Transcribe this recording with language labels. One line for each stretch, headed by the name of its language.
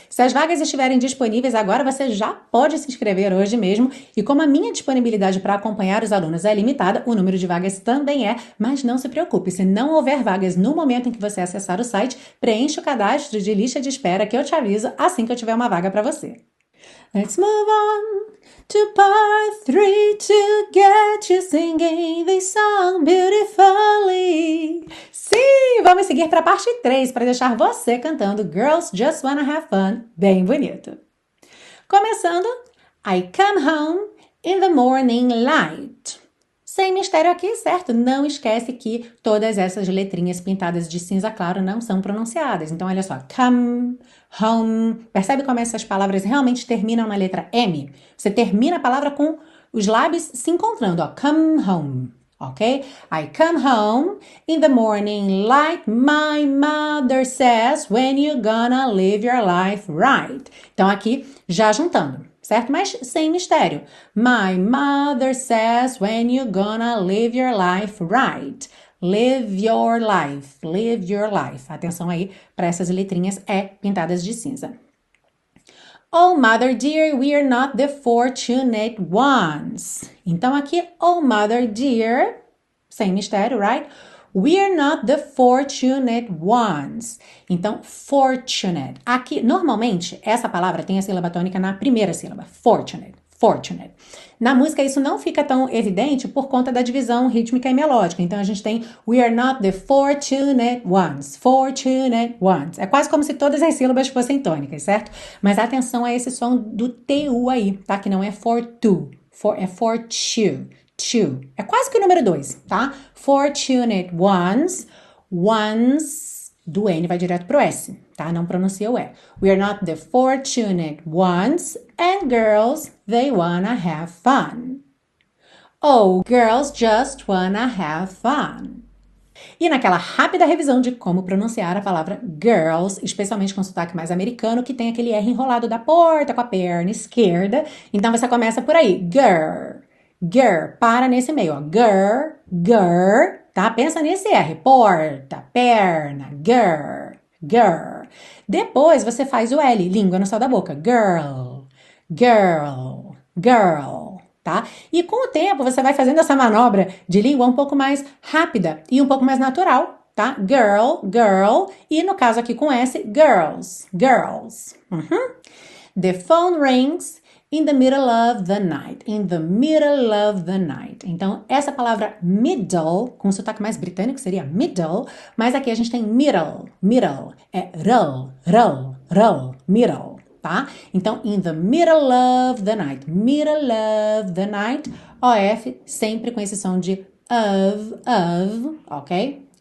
Portuguese: Se as vagas estiverem disponíveis agora, você já pode se inscrever hoje mesmo. E como a minha disponibilidade para acompanhar os alunos é limitada, o número de vagas também é, mas não se preocupe, se não houver vagas no momento em que você acessar o site, preencha o cadastro de lista de espera que eu te aviso assim que eu tiver uma vaga para você.
English: Let's move on to part three to get you singing this song beautifully.
Portuguese: Sim, vamos seguir para a parte 3 para deixar você cantando Girls Just Wanna Have Fun bem bonito.
English: Começando, I come home in the morning light.
Portuguese: Sem mistério aqui, certo? Não esquece que todas essas letrinhas pintadas de cinza claro não são pronunciadas. Então, olha só. Come, home. Percebe como essas palavras realmente terminam na letra M? Você termina a palavra com os lábios se encontrando, ó.
English: Come home, ok? I come home in the morning light. My mother says, when you gonna live your life right?
Portuguese: Então, aqui, já juntando. Certo? Mas sem mistério.
English: My mother says when you gonna live your life right. Live your life. Live your life.
Portuguese: Atenção aí para essas letrinhas E pintadas de cinza.
English: Oh, mother dear, we are not the fortunate ones.
Portuguese: Então aqui,
English: oh, mother dear,
Portuguese: sem mistério, right?
English: We are not the fortunate ones.
Portuguese: Então, fortunate. Aqui, normalmente, essa palavra tem a sílaba tônica na primeira sílaba. Fortunate. Fortunate. Na música, isso não fica tão evidente por conta da divisão rítmica e melódica. Então, a gente tem
English: We are not the fortunate ones.
Portuguese: Fortunate ones. É quase como se todas as sílabas fossem tônicas, certo? Mas atenção a esse som do TU aí, tá? Que não é for tu. É for tu. Two. É quase que o número 2, tá? Fortunate ones, ones, do N vai direto pro S, tá? Não pronuncia o E.
English: We are not the fortunate ones, and girls, they wanna have fun. Oh, girls just wanna have fun.
Portuguese: E naquela rápida revisão de como pronunciar a palavra girls, especialmente com sotaque mais americano, que tem aquele R enrolado da porta com a perna esquerda, então você começa por aí, girl. Girl, para nesse meio, ó. Girl, girl, tá? Pensa nesse R. Porta, perna, girl, girl. Depois você faz o L, língua no céu da boca. Girl, Girl, girl, tá? E com o tempo você vai fazendo essa manobra de língua um pouco mais rápida e um pouco mais natural, tá? Girl, girl, e no caso aqui com S, girls, girls.
English: The phone rings in the middle of the night. In the middle of the night.
Portuguese: Então, essa palavra middle, com sotaque mais britânico, seria middle, mas aqui a gente tem middle, middle. É rl, rl, rl, middle. Tá? Então,
English: in the middle of the night,
Portuguese: middle of the night, OF, sempre com esse som de of, ok?